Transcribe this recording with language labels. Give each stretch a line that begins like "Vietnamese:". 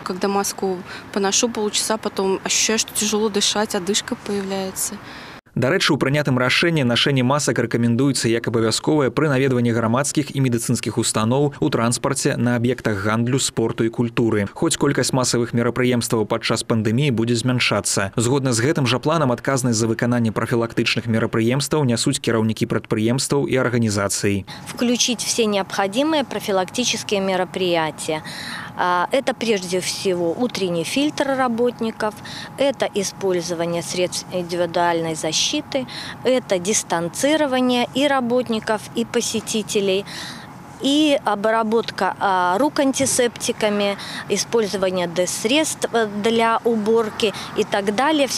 Russian: Когда маску поношу полчаса, потом ощущаю, что тяжело дышать, одышка появляется.
Belarusian: Дарэчы, у прынятым рашэнні нашэнне масак рэкамендуецца як абавязковае пры наведванні грамадскіх і медыцынскіх устаноў, у транспарце, на аб'ектах гандлю, спорту і культуры. Хоць колькасць масавых мерапрыемстваў падчас пандэміі будзе змяншацца. Згодна з гэтым жа планам, адказнасць за выкананне прафілактычных мерапрыемстваў нясуць кіраўнікі прадпрыемстваў і арганізацый. Включыць все неабходимыя прафілактычныя мерапрыемствы.
Russian: Это прежде всего утренний фильтр работников, это использование средств индивидуальной защиты, это дистанцирование и работников, и посетителей, и обработка рук антисептиками, использование дезсредств для уборки и так далее.